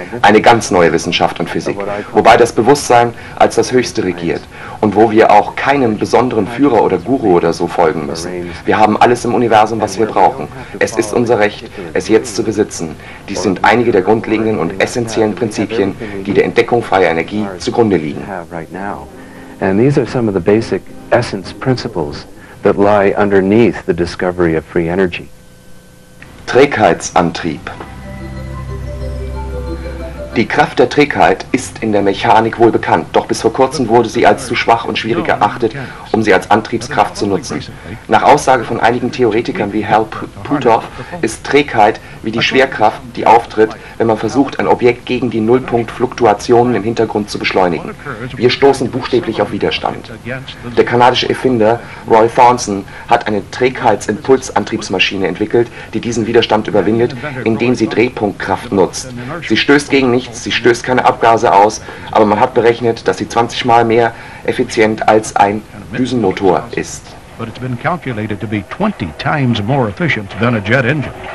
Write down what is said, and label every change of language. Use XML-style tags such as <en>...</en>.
<de>Eine ganz neue Wissenschaft und Physik, wobei das Bewusstsein als das Höchste regiert und wo wir auch keinem besonderen Führer oder Guru oder so folgen müssen. Wir haben alles im Universum, was wir brauchen. Es ist unser Recht, es jetzt zu besitzen. Dies sind einige der grundlegenden und essentiellen Prinzipien, die der Entdeckung freier Energie zugrunde liegen.</de> <en>And these are some of the basic essence principles that lie underneath the discovery of free energy.</en> <de>Trägheitsantrieb. Die Kraft der Trägheit ist in der Mechanik wohl bekannt, doch bis vor kurzem wurde sie als zu schwach und schwierig erachtet, um sie als Antriebskraft zu nutzen. Nach Aussage von einigen Theoretikern wie Hal Puthoff ist Trägheit wie die Schwerkraft, die auftritt, wenn man versucht, ein Objekt gegen die Nullpunktfluktuationen im Hintergrund zu beschleunigen. Wir stoßen buchstäblich auf Widerstand. Der kanadische Erfinder Roy Thornton hat eine Trägheitsimpulsantriebsmaschine entwickelt, die diesen Widerstand überwindet, indem sie Drehpunktkraft nutzt. Sie stößt gegen nichts, sie stößt keine Abgase aus, aber man hat berechnet, dass sie 20 Mal mehr effizient als ein Düsenmotor ist.</de> <en>But it's been calculated to be 20 times more efficient than a jet engine.</en>